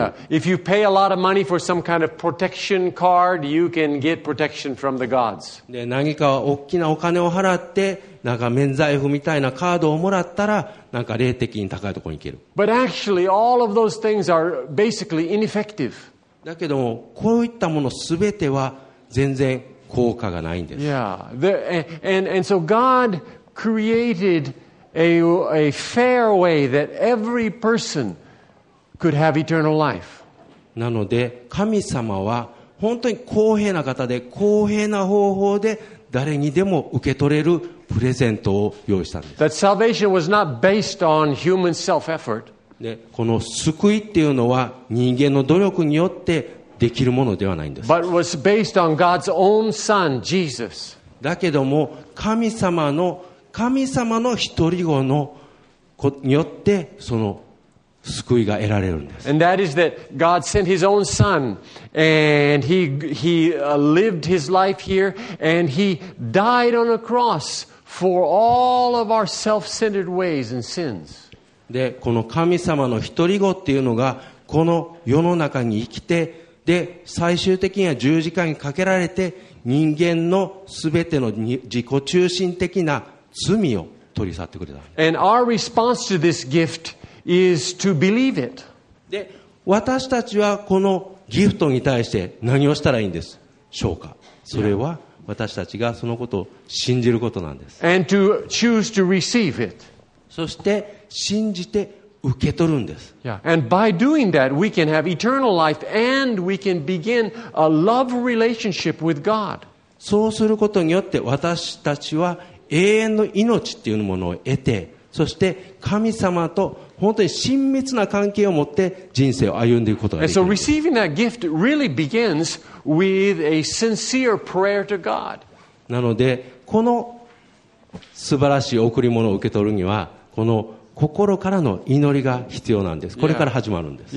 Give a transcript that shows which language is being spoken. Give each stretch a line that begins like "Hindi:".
English: Yeah. If you pay a lot of money for some kind of protection card, you can get protection from the gods.
Japanese: で、何か大きなお金を払ってなんか免罪符みたいなカードをもらったらなんか霊的に高いところに行ける。
English: But actually, all of those things are basically ineffective.
Japanese: だけどもこういったものすべては全然効果がないんです。
English: Yeah. And so Godcreated a fair way that every person could have eternal life.
Japanese: なので神様は本当に公平な方で公平な方法で誰にでも受け取れるプレゼントを用意したんです。
English: That salvation was not based on human self-effort.
Japanese: で、この救いっていうのは人間の努力によってできるものではないんです。
English: But was based on God's own Son, Jesus.
Japanese: だけども神様の一人子のによってその救いが得られるんです。
English: And that is that God sent His own Son, and He lived His life here, and He died on a cross for all of our self-centered ways and sins.
Japanese: で、この神様の一人子っていうのがこの世の中に生きて、で、最終的には十字架にかけられて、人間のすべての自己中心的な罪を取り去ってくれた。
English: And our response to this gift is to believe it.
Japanese: で、私たちはこのギフトに対して何をしたらいいんでしょうか。それは私たちがそのことを信じることなんです。
English: And to choose to receive it.
Japanese: そして信じて受け取るんです。
English: Yeah. And by doing that, we can have eternal life and we can begin a love relationship with God.
Japanese: そうすることによって私たちは永遠の命っていうものを得て、そして神様と本当に親密な関係を持って人生を歩んでいくことができる。
English: So receiving that gift really begins with a sincere prayer to God.
Japanese: なのでこの素晴らしい贈り物を受け取るにはこの心からの祈りが必要なんです。これから始まるんです。